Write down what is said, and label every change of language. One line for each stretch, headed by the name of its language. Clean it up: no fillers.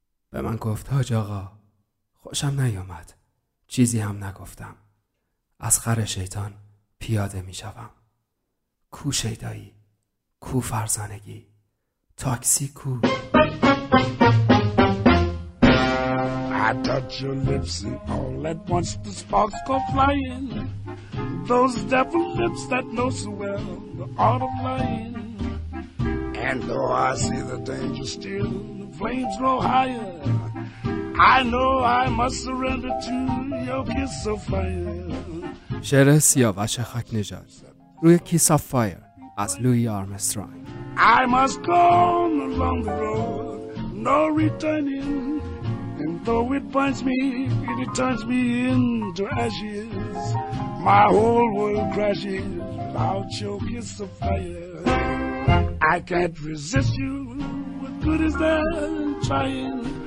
Persian: به من گفت هاج آقا، خوشم نیامد، چیزی هم نگفتم. از خر شیطان پیاده می شوم. کو شیدایی، کو فرزانگی، تاکسی کو؟
English: I touch your lips and all at once the sparks go flying. Those devil lips that know so well the art of lying. And though I see the danger still, the flames grow higher. I know I must surrender to your kiss of fire.
Persian: شعر سیاوش خاک نژاد روی کیس آف فایر از لوی آرمسترانگ.
English: I must go on a long road, no returning. And though it binds me, it turns me into ashes. My whole world crashes without your kiss of fire. I can't resist you, what good is there trying?